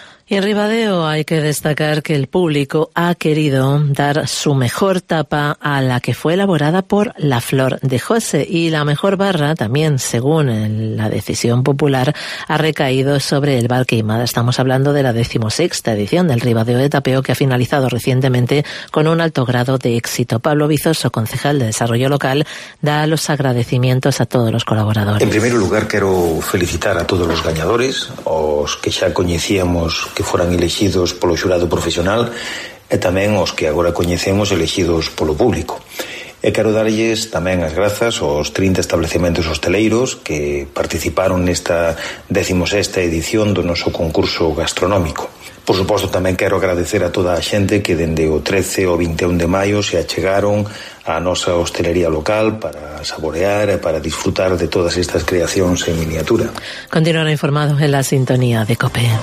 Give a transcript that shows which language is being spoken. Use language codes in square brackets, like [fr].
[es] Y en Ribadeo hay que destacar que el público ha querido dar su mejor tapa a la que fue elaborada por La Flor de José, y la mejor barra también, según la decisión popular, ha recaído sobre el Bar Queimada. Estamos hablando de la 16ª edición del Ribadeo de Tapeo, que ha finalizado recientemente con un alto grado de éxito. Pablo Vizoso, concejal de Desarrollo Local, da los agradecimientos a todos los colaboradores. En primer lugar, quiero felicitar a todos los ganadores, [gl] os que ya conocíamos que foran elegidos polo xurado profesional, e tamén os que agora coñecemos elegidos polo público. E quero darlles tamén as grazas aos 30 establecementos hosteleiros que participaron nesta 16ª edición do noso concurso gastronómico. Por suposto, tamén quero agradecer a toda a xente que dende o 13 ou 21 de maio se achegaron á nosa hostelería local para saborear e para disfrutar de todas estas creacións en miniatura. [es] Continuará informado en la sintonía de COPE.